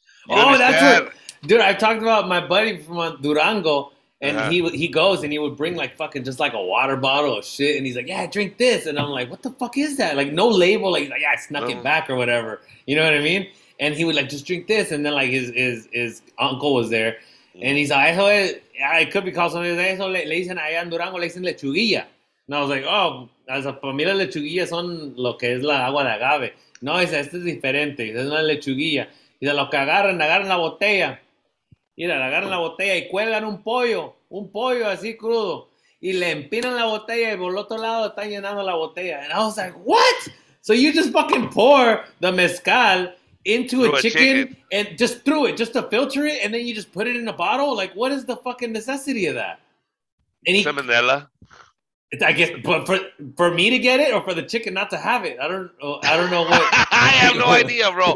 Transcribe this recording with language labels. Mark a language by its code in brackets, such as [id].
[en] Dude, I talked about my buddy from Durango, and he goes and he would bring like fucking just like a water bottle of shit. And he's like, yeah, drink this. And I'm like, what the fuck is that? Like no label. Like, yeah, I snuck it back or whatever. You know what I mean? And he would like just drink this, and then like his uncle was there, And he's like, it could be called something. [es] Eso le dicen allá en Durango, le dicen lechuguilla. [en] And I was like, oh, as a [es] familia lechuguilla son lo que es la agua de agave. No, dice, este es diferente, es una lechuguilla. Y de lo que agarran la botella. Mira, agarran la botella y cuelgan un pollo así crudo. Y le empinan la botella y por el otro lado están llenando la botella. [en] And I was like, what? So you just fucking pour the mezcal into Through a a chicken. chicken and just threw it, just to filter it, and then you just put it in a bottle? Like, what is the fucking necessity of that? And he, Salmonella. I guess, but for me to get it or for the chicken not to have it? I don't know I have no idea, bro.